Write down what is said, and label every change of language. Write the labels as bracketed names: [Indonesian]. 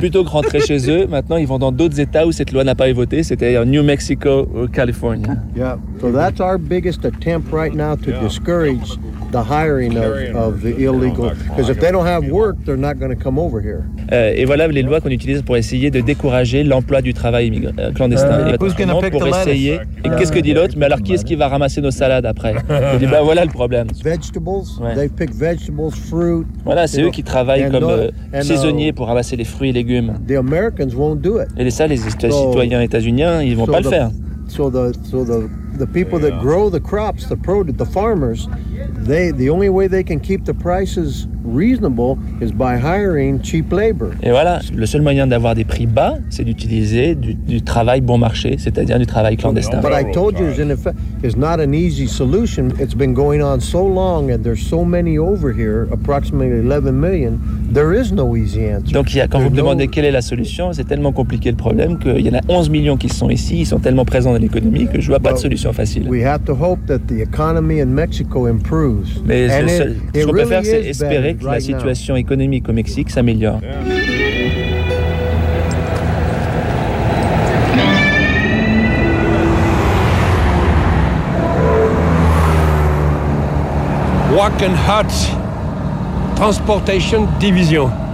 [French] Plutôt que rentrer chez eux, maintenant ils vont dans d'autres états où cette loi n'a pas été votée, c'est-à-dire New Mexico ou California. [English] So that's our biggest attempt right now to discourage the hiring of the illegal. Because if they don't have work, they're not going to come over here. [French] Et voilà les lois qu'on utilise pour essayer de décourager l'emploi du travail clandestin. Et qu'est-ce que dit l'autre? Mais alors qui est-ce qui va ramasser nos salades après? Il dit, voilà le problème. [English] Vegetables, they pick vegetables, fruit. [French] Voilà, c'est eux qui travaillent comme saisonniers pour ramasser les fruits et légumes. [English] The Americans won't do it. [French] Et ça, les citoyens états-uniens, ils vont pas le faire. [English] The people that grow the crops, the produce, the farmers, the only way they can keep the prices reasonable is by hiring cheap labor. [French] Et voilà, le seul moyen d'avoir des prix bas, c'est d'utiliser du travail bon marché, c'est-à-dire du travail clandestin. [English] But I told you, it's not an easy solution. It's been going on so long, and there's so many over here, approximately 11 million. There is no easy answer. [French] Donc, quand vous me demandez quelle est la solution, c'est tellement compliqué le problème qu'il y en a 11 millions qui sont ici, ils sont tellement présents dans l'économie que je vois pas de solution facile. [English] We have to hope that the economy in Mexico improves. [French] Mais ce qu'on peut faire, c'est espérer que la situation économique au Mexique s'améliore. [English] Walking Hot Transportation Division.